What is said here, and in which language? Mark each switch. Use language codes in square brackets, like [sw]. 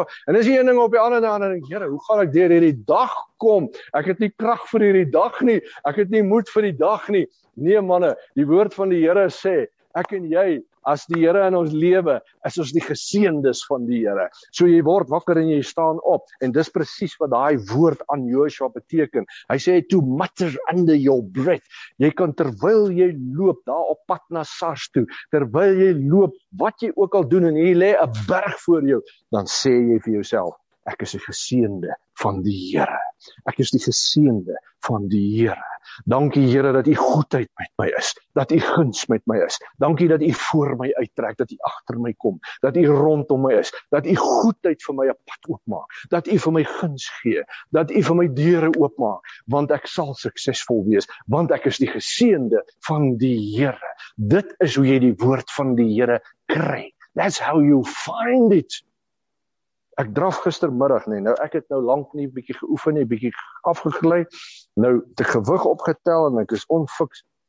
[af] En dis een ding op die ander en dan, Here, hoe gaan ek deur hierdie dag kom? Ek het nie krag vir hierdie dag nie. Ek het nie moed vir die dag nie. Nee, manne, die woord van die Here sê, ek en jy, as die Here in ons lewe, is ons die geseëndes van die Here. So jy word wakker en jy staan op. En dis presies wat daai woord aan Joshua beteken. Hy sê, [en] to mutter under your breath. [af] Jy kan terwyl jy loop, daar op pad na SARS toe, terwyl jy loop, wat jy ook al doen, en hier lê 'n berg voor jou, dan sê jy vir jouself, ek is die geseënde van die Here. Ek is die geseënde van die Here. Dankie Here dat U goedheid met my is, dat U guns met my is. Dankie dat U voor my uittrek, dat U agter my kom, dat U rondom my is, dat U goedheid vir my 'n pad oopmaak, dat U vir my guns gee, dat U vir my deure oopmaak, want ek sal suksesvol wees, want ek is die geseënde van die Here. Dit is hoe jy die woord van die Here kry. [en] That's how you find it. [af] Ek draf gistermiddag nie. Nou ek het nou lank nie bietjie geoefen nie, bietjie afgegly. Nou te gewig opgetel en ek is onfiks.